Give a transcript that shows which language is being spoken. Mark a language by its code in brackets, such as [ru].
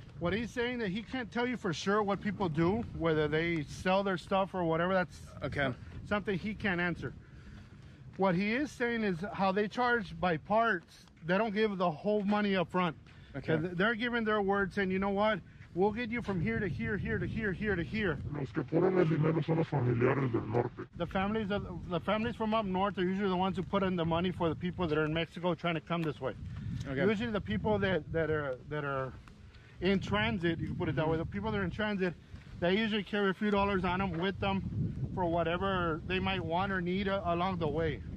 [en] What he's saying that he can't tell you for sure what people do, whether they sell their stuff or whatever, that's okay. Something he can't answer. What he is saying is how they charge by parts. They don't give the whole money up front. Okay. They're giving their word saying, you know what? We'll get you from here to here, here to here, here to here. [es] Los que ponen el dinero son los familiares del norte. [en] The families from up north are usually the ones who put in the money for the people that are in Mexico trying to come this way. Okay. Usually the people that are in transit, you can put it that way, the people that are in transit, they usually carry a few dollars on them with them for whatever they might want or need along the way.